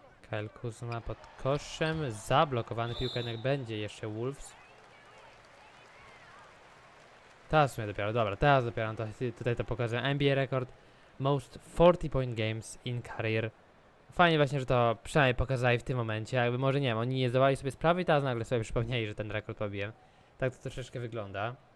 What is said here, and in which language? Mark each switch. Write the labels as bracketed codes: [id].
[pl] Kyle Kuzma pod koszem, zablokowany piłka, jak będzie jeszcze Wolves. Teraz mnie dopiero, dobra, teraz dopiero to, tutaj to pokażę. [en] NBA record, most 40 point games in career. [pl] Fajnie właśnie, że to przynajmniej pokazali w tym momencie, jakby może nie wiem, oni nie zdawali sobie sprawy i teraz nagle sobie przypomnieli, że ten rekord pobiłem. Tak to troszeczkę wygląda.